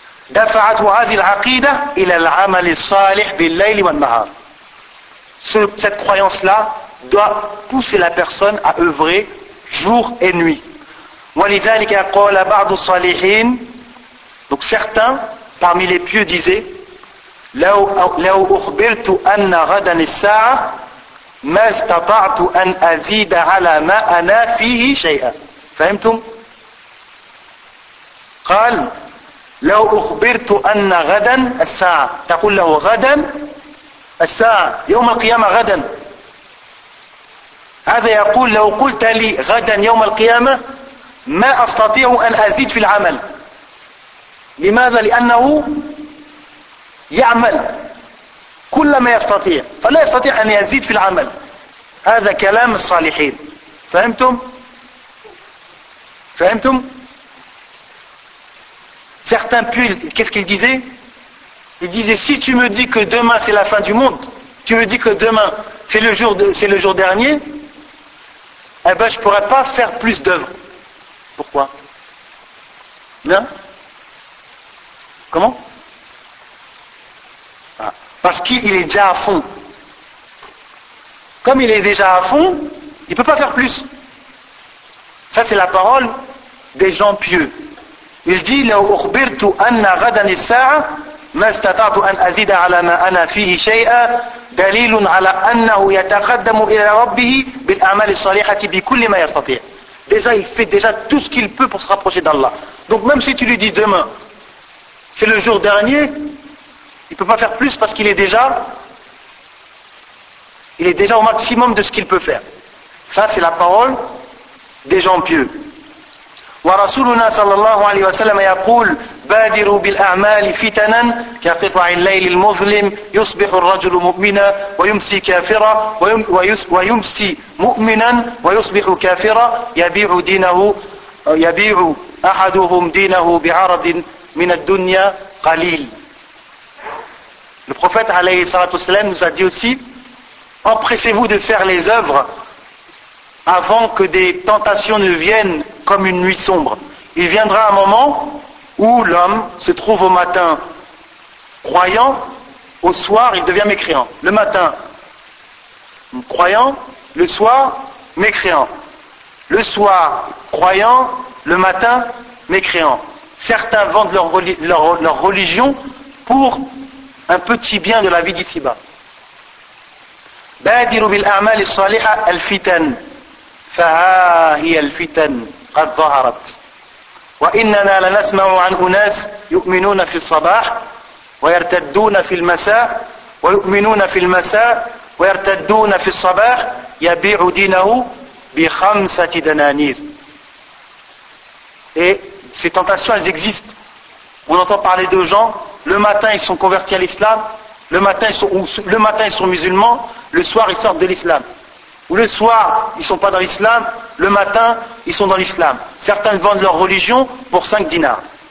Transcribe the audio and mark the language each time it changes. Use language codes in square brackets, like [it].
[ar] دفعت هذه العقيدة إلى العمل الصالح بالليل والنهار. [fr] Cette croyance-là doit pousser la personne à œuvrer jour et nuit. [ar] ولذلك قال بعض الصالحين. [fr] Donc certains parmi les pieux disaient [ar] لو أخبرت أن غدا الساعة ما استطعت أن أزيد على ما أنا فيه شيئا. فهمتم؟ قال لو أخبرت أن غدا الساعة. تقول له غدا الساعة يوم القيامة غدا. هذا يقول لو قلت لي غدا يوم القيامة ما أستطيع أن أزيد في العمل. لماذا؟ لأنه يعمل كل ما يستطيع فلا يستطيع أن يزيد في العمل. هذا كلام الصالحين. فهمتم؟ فهمتم؟ [fr] certains puis qu'est-ce qu'il disait? Il disait si tu me dis que demain c'est la fin du monde, tu me dis que demain c'est le jour dernier, eh ben je pourrais pas faire plus d'œuvres. Pourquoi? Non? Comment? Parce qu'il est déjà à fond. Comme il est déjà à fond, il ne peut pas faire plus. Ça, c'est la parole des gens pieux. Il dit [ar] « لو أخبرت أن غدا الساعة ما استطعت أن أزيد على ما أنا فيه شيئا دليل على أنه يتقدم إلى ربه بالأعمال الصالحة بكل ما يستطيع » [fr] Déjà, il fait déjà tout ce qu'il peut pour se rapprocher d'Allah. Donc même si tu lui dis demain, c'est le jour dernier, il ne peut pas faire plus parce qu'il est déjà au maximum de ce qu'il peut faire. Ça, c'est la parole des gens pieux. [ar] ورسولنا صلى الله عليه وسلم يقول بادروا بالأعمال فتنا كقطع الليل المظلم يصبح الرجل مؤمنا ويمسي كافرا ويمسي مؤمنا ويصبح كافرا يبيع دينه يبيع أحدهم دينه بعرض من الدنيا قليل. [fr] Le prophète [ar] عليه الصلاة والسلام [fr] nous a dit aussi: empressez-vous de faire les œuvres avant que des tentations ne viennent comme une nuit sombre. Il viendra un moment où l'homme se trouve au matin croyant, au soir il devient mécréant. Le matin, croyant, le soir, mécréant. Le soir, croyant, le matin, mécréant. Certains vendent leur religion pour un petit bien de la vie d'ici-bas. [ar] « Badiru bil a'mal as-saliha al-fitan » فها هي الفتن قد ظهرت وإننا لنسمع عن أناس يؤمنون في الصباح ويرتدون في المساء ويؤمنون في المساء ويرتدون في الصباح يبيع دينه بخمسة دنانير. [fr] Et ces tentations, elles existent. On entend parler de gens, le matin ils sont convertis à l'islam, le matin ils sont musulmans, le soir ils sortent de l'islam. Ou le soir, ils ne sont pas dans l'islam, le matin, ils sont dans l'islam. Certains vendent leur religion pour 5 dinars.